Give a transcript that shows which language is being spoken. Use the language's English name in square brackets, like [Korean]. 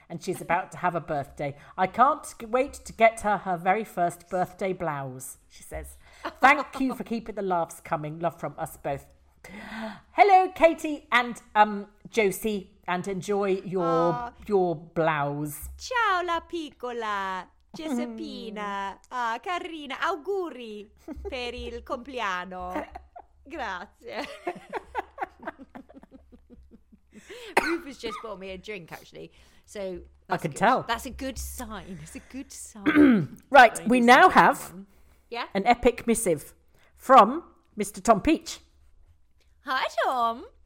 [English] And she's about to have a birthday. I can't wait to get her very first birthday blouse, she says. Thank you for keeping the laughs coming. Love from us both. Hello, Katie and Josie, and enjoy your blouse. [Italian] Ciao, la piccola, Giuseppina, carina, auguri per il compleanno. Grazie. [English] Rufus just bought me a drink, actually. So I can good. Tell. That's a good sign. It's a good sign. Right, we now have an epic missive from Mr. Tom Peach. Hi, Tom.